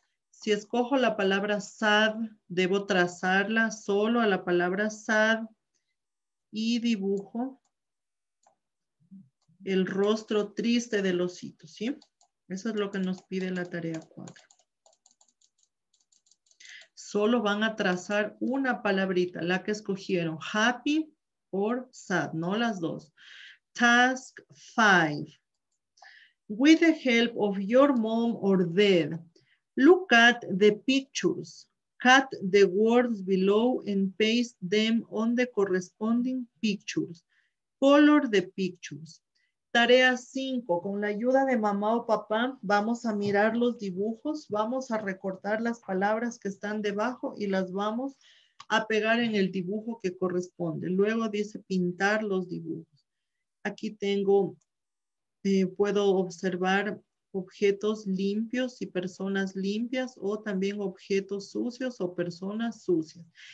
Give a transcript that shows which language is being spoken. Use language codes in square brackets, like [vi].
[es] Si escojo la palabra sad, debo trazarla solo a la palabra sad y dibujo el rostro triste del osito, ¿sí? Eso es lo que nos pide la tarea 4. Solo van a trazar una palabrita, la que escogieron, happy o sad, no las dos. [en] Task 5. With the help of your mom or dad, look at the pictures, cut the words below and paste them on the corresponding pictures. Color the pictures. [es] Tarea 5. Con la ayuda de mamá o papá, vamos a mirar los dibujos. Vamos a recortar las palabras que están debajo y las vamos a pegar en el dibujo que corresponde. Luego dice pintar los dibujos. Aquí tengo, puedo observar objetos limpios y personas limpias, o también objetos sucios o personas sucias.